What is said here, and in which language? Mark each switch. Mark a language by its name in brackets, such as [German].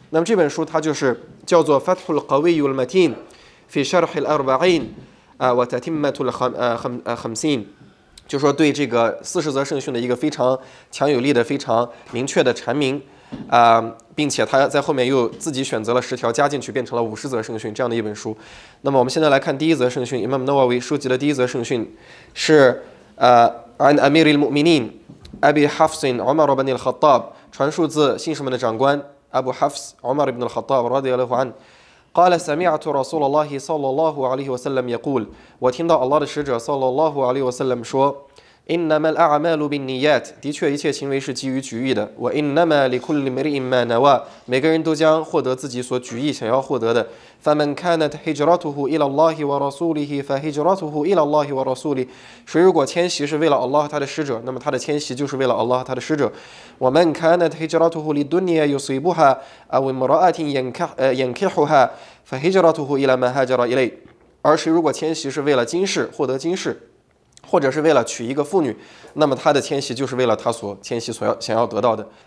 [Chinese] 那么这本书它就是叫做 Fathul Qawiyyu al-Matin fi Sharh al-Arba'in wa Tatimmatul Khamsin， 就说对这个四十则圣训的一个非常强有力的非常明确的阐明并且他在后面又自己选择了十条加进去变成了五十则圣训，这样的一本书。那么我们现在来看第一则圣训。 Imam Nawawi 书籍的第一则圣训是An Amir al-Mu'mininAbi Hafsin Umar ibn al-Khattab， 传述自信士们的长官 Abu Hafs Umar ibn al-Khattab [Arabic] رضي الله عنه قال سمعت رسول الله صلى الله عليه وسلم يقول， [Chinese] 我听到 Allah 的使者 [Arabic] صلى الله عليه وسلم [Chinese] 说 [Arabic] إنما الأعمال بالنيات， [Chinese] 的确一切行为是基于举意的。 [Arabic] وإنما لكل امرئ ما نوى， [Chinese] 每个人都将获得自己所举意想要获得的。 [Arabic] فمن كانت هجرته إلى الله ورسوله [Chinese] فهجرته إلى الله ورسوله， 谁如果迁徙是为了 Allah 他的使者，那么他的迁徙就是为了 Allah 他的使者。 [Arabic] ومن كانت هجرته للدنيا يصيبها أو امرأة ينكحها فهجرته إلى ما هاجر إليه， [Chinese] 而谁如果迁徙是为了今世获得今世，或者是为了娶一个妇女，那么他的迁徙就是为了他所迁徙所要想要得到的。